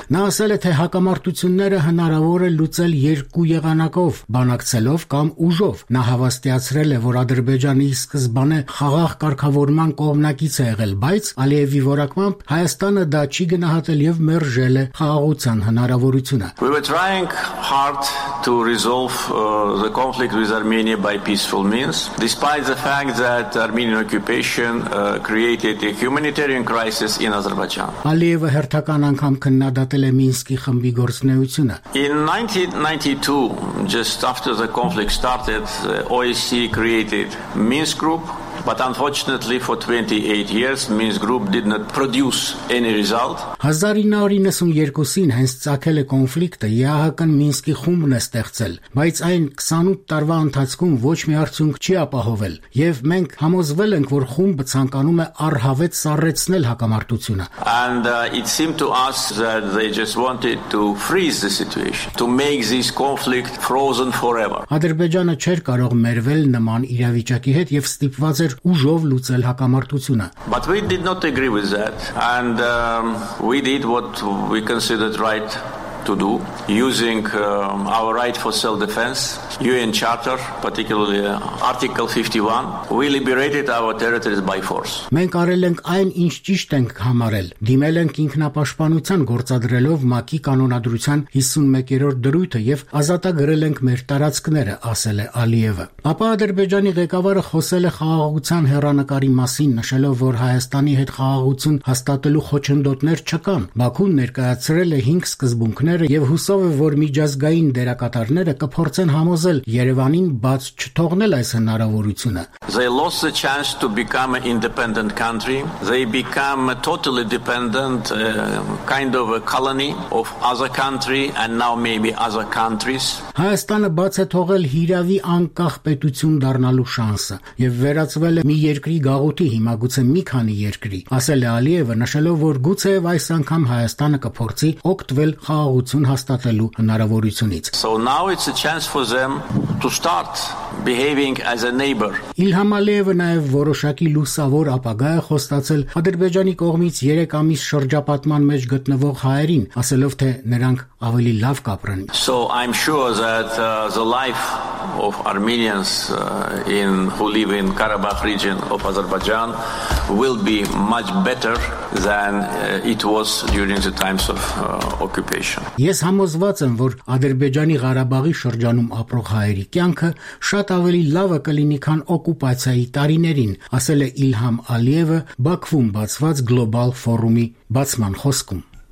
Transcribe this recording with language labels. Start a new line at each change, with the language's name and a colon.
Armenian: Նա ասել է, թե հակամարտությունները հնարավոր է լուծել երկու եղանակով՝ բանակցելով կամ ուժով։ Նա հավաստիացրել է, որ Ադրբեջանը ի սկզբանե խաղաղ կարգավորման կողմնակից է եղել, բայց Ալիևի որակմամբ Հայաստանը դա չի գնահատել եւ մերժել է խաղաղության հնարավորությունը։
English: We were trying hard to resolve the conflict with Armenia by peaceful means, despite the fact that Armenian occupation created a humanitarian crisis in Azerbaijan.
Armenian: Ալիևը հերթական անգամ քննադատել է Մինսկի խմբի գործունեությունը։
English: In 1992, just after the conflict started, OSCE created Minsk group, but unfortunately for 28 years Minsk group did not produce any result.
Armenian: 1992-ին հենց ծագել է կոնֆլիկտը, ԵԱՀԿ-ն Մինսկի խումբն է ստեղծել, բայց այն 28 տարվա ընթացքում ոչ մի արդյունք չի ապահովել, եւ մենք համոզվել ենք, որ խումբը ցանկանում է առհավետ սառեցնել հակամարտությունը։
English: And it seemed to us that they just wanted to freeze the situation, to make this conflict frozen forever.
Armenian: Ադրբեջանը չէր կարող մերվել նման իրավիճակի հետ եւ ստիպված ուժով լուծել հակամարտությունը։
English: But we did not agree with that, and we did what we considered right to do, using our right for self-defense, UN Charter, particularly Article 51, we liberated our territories by force.
Armenian: Մենք արել ենք այն, ինչ ճիշտ ենք համարել, դիմել ենք ինքնապաշտպանության գործադրելով ՄԱԿ-ի կանոնադրության 51-րդ դրույթը և ազատագրել ենք մեր տարածքները, ասել է Ալիևը։ Ապա Ադրբեջանի ղեկավարը խոսել է խաղաղության հեռանկարի մասին, նշելով, որ Հայաստանի հետ խաղաղություն հաստատելու խոչընդոտներ չկան։ Բաքուն ներկայացրել է 5 սկզբունքները և հուսով է, որ միջազգային դերակատարները կփորձեն համոզել Երևանին բաց չթողնել այս հնարավորությունը։
English: They lost the chance to become an independent country. They become a totally dependent kind of a colony of other country and now maybe other countries.
Armenian: Հայաստանը բաց է թողել հիրավի անկախ պետություն դառնալու շանսը եւ վերածվել է մի երկրի գաղութի հիմագուցե մի քանի երկրի, ասել է Ալիևը, նշելով, որ գուցե այս անգամ Հայաստանը կփորձի օգտվել խաղաղություն հաստատելու հնարավորությունից։
English: So now it's a chance for them to start behaving as a neighbor.
Armenian: Իլհամ Ալիևը նաև որոշակի լուսավոր ապագա է խոստացել Ադրբեջանի կողմից 3 ամիս շրջապատման մեջ գտնվող հայերին, ասելով, թե նրանք ավելի լավ կապրեն։
English: So I'm sure that the life of Armenians in who live in Karabakh region of Azerbaijan will be much better than it was during the times of occupation.
Armenian: Ես համոզված եմ, որ Ադրբեջանի Ղարաբաղի շրջանում ապրող հայերի կյանքը շատ ավելի լավը կլինի, քան օկուպացիայի տարիներին, ասել է Իլհամ Ալիևը Բաքվում բացված գլոբալ ֆորումի բացման խոսքում։